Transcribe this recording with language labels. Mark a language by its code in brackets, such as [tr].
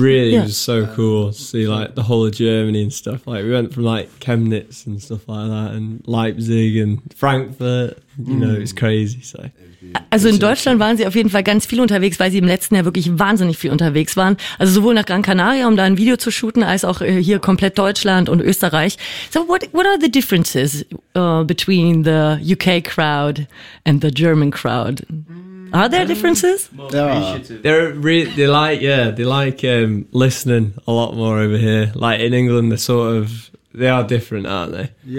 [en] Really, yeah. It was so cool to see like the whole of Germany and stuff. Like we went from like Chemnitz and stuff like that and Leipzig and Frankfurt. You know, it's crazy. So. [de] Also in Deutschland waren sie auf jeden Fall ganz viel unterwegs, weil sie im letzten Jahr wirklich wahnsinnig viel unterwegs waren. Also sowohl nach Gran Canaria, um da ein Video zu shooten, als auch hier komplett Deutschland und Österreich. [en] So what are the differences between the UK crowd and the German crowd? Are there differences? They like listening a lot more over here. Like in England, they're sort of, they are different, aren't they?